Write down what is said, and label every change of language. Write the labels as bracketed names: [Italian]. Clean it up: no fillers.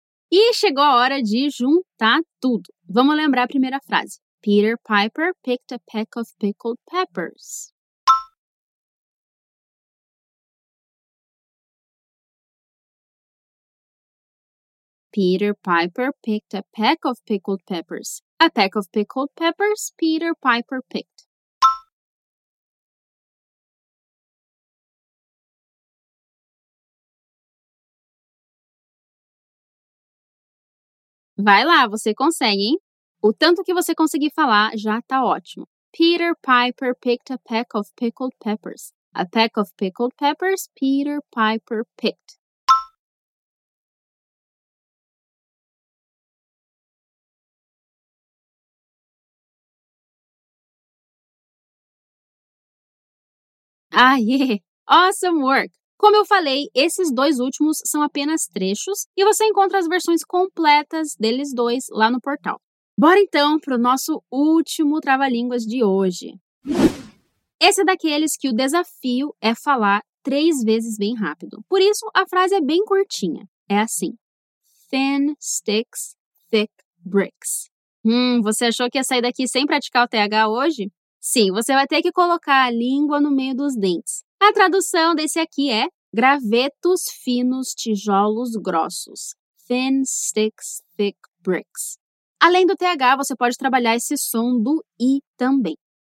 [Portuguese] E chegou a hora de juntar tudo. Vamos lembrar a primeira frase. [English] Peter Piper picked a peck of pickled peppers. Peter Piper picked a peck of pickled peppers. A peck of pickled peppers Peter Piper picked. [Portuguese] Vai lá, você consegue, hein? O tanto que você conseguir falar já tá ótimo. [English] Peter Piper picked a peck of pickled peppers. A peck of pickled peppers Peter Piper picked. Aê! Awesome work! [Portuguese] Como eu falei, esses dois últimos são apenas trechos e você encontra as versões completas deles dois lá no portal. Bora então para o nosso último trava-línguas de hoje. Esse é daqueles que o desafio é falar três vezes bem rápido. Por isso, a frase é bem curtinha. É assim. [English] Thin sticks, thick bricks. [Portuguese] Você achou que ia sair daqui sem praticar o TH hoje? Sim, você vai ter que colocar a língua no meio dos dentes. A tradução desse aqui é gravetos finos, tijolos grossos. [English] Thin sticks, thick bricks. [Portuguese] Além do TH, você pode trabalhar esse som do I também.